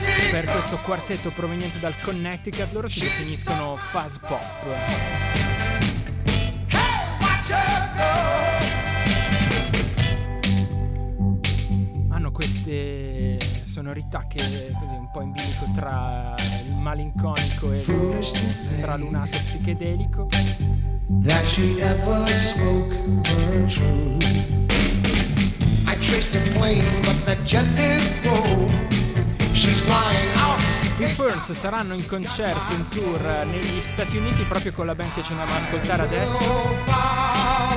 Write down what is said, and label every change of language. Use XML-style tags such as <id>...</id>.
<it>Per questo quartetto proveniente dal Connecticut, loro si definiscono fuzz pop. Hanno queste sonorità che così un po' in bilico tra il malinconico e il stralunato psichedelico.</it> <en>That she ever spoke her truth. I traced a plane, but the jet did go.</en> <it>She's flying out. I Ferns saranno in concerto, in tour negli Stati Uniti, proprio con la band che ci andiamo ad ascoltare adesso.</it>